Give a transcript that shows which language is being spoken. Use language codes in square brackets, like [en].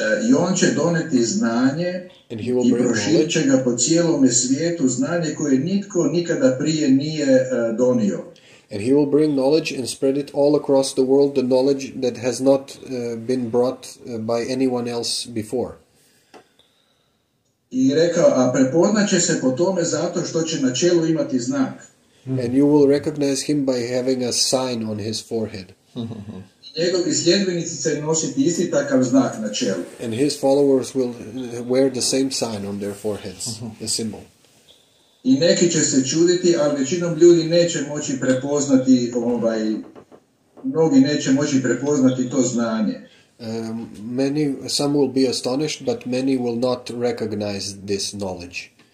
[hr] I on će doneti znanje i proširit će ga po cijelome svijetu, znanje koje nitko nikada prije nije donio. [en] And he will bring knowledge and spread it all across the world, the knowledge that has not been brought by anyone else before. [hr] I rekao, a prepoznat će se po tome zato što će na čelu imati znak. [en] And you will recognize him by having a sign on his forehead. [hr] Njegovi sljedbenici će nositi isti takav znak na čelu. [en] And his followers will wear the same sign on their foreheads, a symbol. [hr] I neki će se čuditi, ali većinom ljudi neće moći prepoznati mnogi neće moći prepoznati to znanje. [en] Many, some will be astonished, but many will not recognize this knowledge.